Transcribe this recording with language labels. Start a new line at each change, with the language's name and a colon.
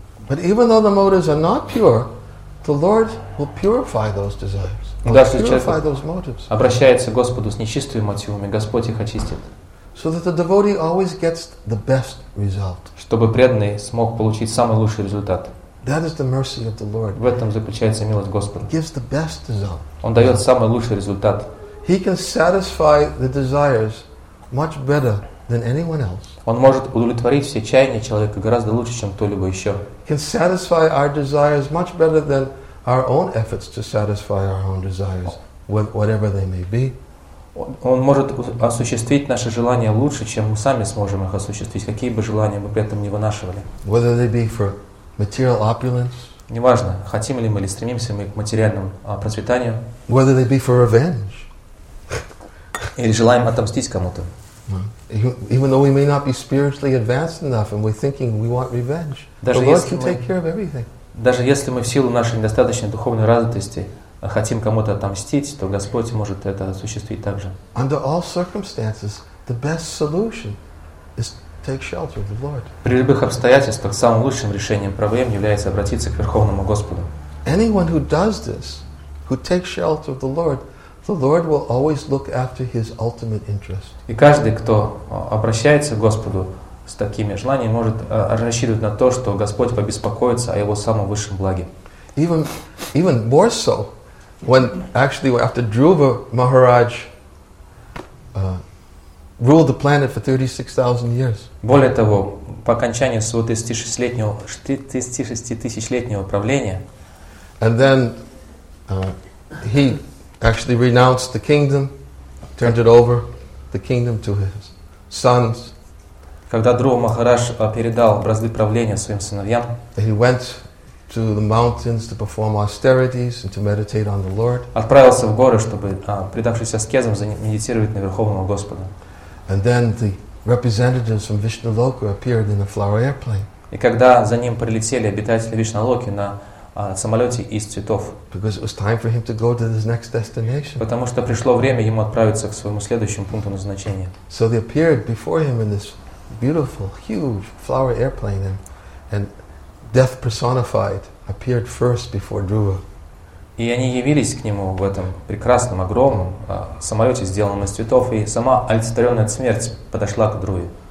English: But even though the motives are not pure, the Lord will purify those desires.
Russian: Даже если человек обращается к Господу с нечистыми мотивами, Господь их очистит.
English: So that the devotee always gets the best result.
Russian: Чтобы преданный смог получить самый лучший результат.
English: That is the mercy of the Lord.
Russian: В этом заключается милость Господа.
English: He gives the best result.
Russian: Он дает самый лучший результат.
English: He can satisfy the desires much better than anyone else.
Russian: Он может удовлетворить все чаяния человека гораздо лучше, чем кто-либо еще.
English: He can satisfy our desires much better than our own efforts to satisfy our own desires, whatever they may be.
Russian: Он может осуществить наши желания лучше, чем мы сами сможем их осуществить, какие бы желания мы при этом не вынашивали.
English: Whether they be for material opulence.
Russian: Неважно, хотим ли мы или стремимся мы к материальному процветанию.
English: Whether they be for revenge.
Russian: Или желаем отомстить кому-то.
English: Even though we may not be spiritually advanced enough and we're thinking we want revenge. The Lord can take care of everything.
Russian: Даже если мы в силу нашей недостаточной духовной развитости хотим кому-то отомстить, то Господь может это осуществить также.
English: Under all circumstances, the best solution is to take shelter of the Lord.
Russian: При любых обстоятельствах самым лучшим решением проблем является обратиться к Верховному Господу.
English: Anyone who does this, who takes shelter of the Lord will always look after his ultimate interest.
Russian: И каждый, кто обращается к Господу с такими желаниями, может рассчитывать на то, что Господь побеспокоится о его самом высшем благе.
English: Even more so, after Dhruva Maharaj ruled the planet for 36,000 years.
Russian: Более того, по окончании своего 36-тысячелетнего правления,
English: and then he actually renounced the kingdom, turned it over, the kingdom to his sons.
Russian: Когда Дхрува Махарадж передал бразды правления своим сыновьям,
English: he went to the mountains to perform austerities and to meditate on the Lord.
Russian: Отправился в горы, чтобы, предавшись аскезам, медитировать на Верховного Господа.
English: And then the representatives from Vishnuloka appeared in a flower airplane.
Russian: И когда за ним прилетели обитатели Вишнулоки на самолете из цветов.
English: Because it was time for him to go to his next destination.
Russian: Потому что пришло время ему отправиться к своему следующему пункту назначения.
English: So they appeared before him in this beautiful, huge flower airplane, and death personified appeared first before Dhruva.
Russian: И они явились к нему в этом прекрасном, огромном самолете, сделанном из цветов, и сама олицетворенная смерть подошла к Дхруве.